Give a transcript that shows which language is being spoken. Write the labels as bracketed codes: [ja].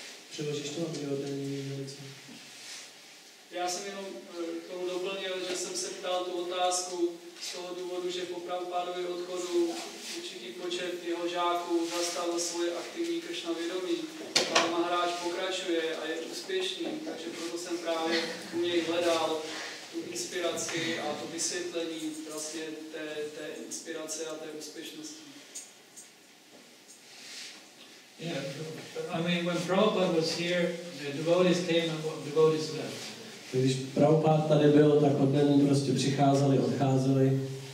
[cs] Przeleżysz to, aby oddali mi ręce? Já jsem jenom k tomu doplnil, že jsem se ptal tu otázku z toho důvodu, že po Prabhupádově odchodu určitý počet jeho žáků zastal svoje aktivní Krishna vědomí. Pan Maharaj pokračuje a je úspěšný, takže proto jsem právě u něj hledal tu inspiraci a to vysvětlení vlastně té inspirace a té úspěšnosti. [en] Yeah, I mean, when Prabhupada was here, the devotees came and the devotees left. [cs] Když Prabhupád tady byl, tak od něj prostě přicházeli, odcházeli.